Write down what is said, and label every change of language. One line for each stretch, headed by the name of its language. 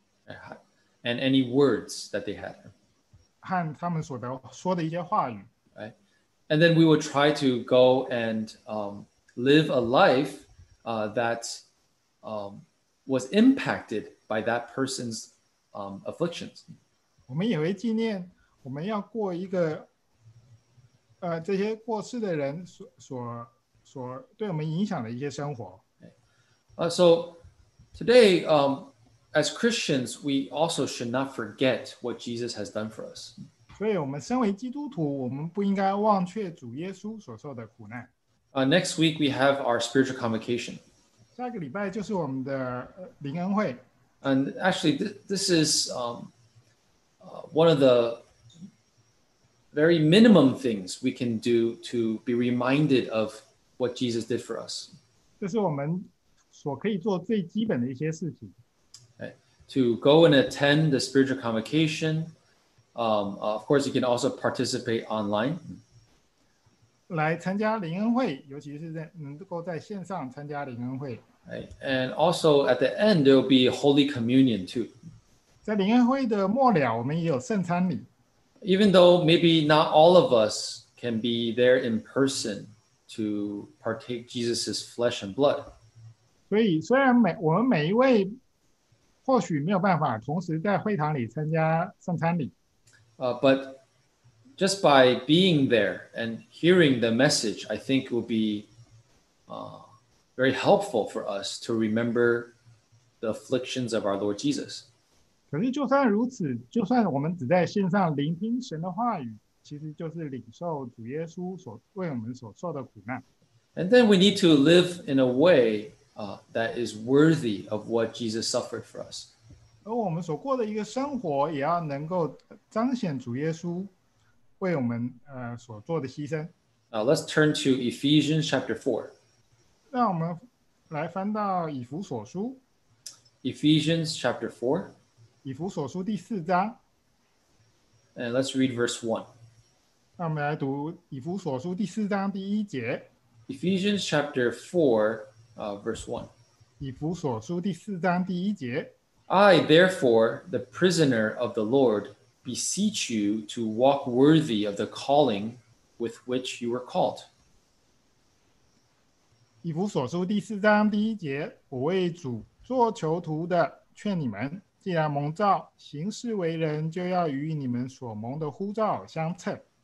English: And any words that they had.
Chinese: 和他们所说的一些话语。
English: Right. And then we would try to go and live a life that was impacted by that person's afflictions.
Chinese: 我们也会纪念我们要过一个这些过世的人所对我们影响的一些生活。
English: So today, as Christians, we also should not forget what Jesus has done for us.
Chinese: 所以我们身为基督徒，我们不应该忘却主耶稣所受的苦难。
English: Next week, we have our spiritual convocation.
Chinese: 下个礼拜就是我们的灵恩会。
English: And actually, this is one of the very minimum things we can do to be reminded of what Jesus did for us.
Chinese: 这是我们所可以做最基本的一些事情。
English: To go and attend the spiritual convocation, of course, you can also participate online.
Chinese: 来参加灵恩会，尤其是能够在线上参加灵恩会。
English: Right. And also at the end, there will be Holy Communion too.
Chinese: 在灵恩会的末了，我们也有圣餐礼。
English: Even though maybe not all of us can be there in person to partake Jesus' flesh and blood.
Chinese: 所以虽然我们每一位或许没有办法同时在会堂里参加圣餐礼。
English: But just by being there and hearing the message, I think it will be very helpful for us to remember the afflictions of our Lord Jesus.
Chinese: 可是就算如此，就算我们只在线上聆听神的话语，其实就是领受主耶稣所为我们所受的苦难。
English: And then we need to live in a way that is worthy of what Jesus suffered for us.
Chinese: 而我们所过的一个生活也要能够彰显主耶稣为我们所做的牺牲。
English: Let's turn to Ephesians chapter 4.
Chinese: 让我们来翻到以弗所书。
English: Ephesians chapter 4.
Chinese: 以弗所书第四章。
English: And let's read verse 1.
Chinese: 让我们来读以弗所书第四章第一节。
English: Ephesians chapter 4. Verse 1.
Chinese: 以弗所书第四章第一节。
English: I, therefore, the prisoner of the Lord, beseech you to walk worthy of the calling with which you were called.
Chinese: 以弗所书第四章第一节，我为主做囚徒的，劝你们，既然蒙召，行事为人，就要与你们所蒙的呼召相称。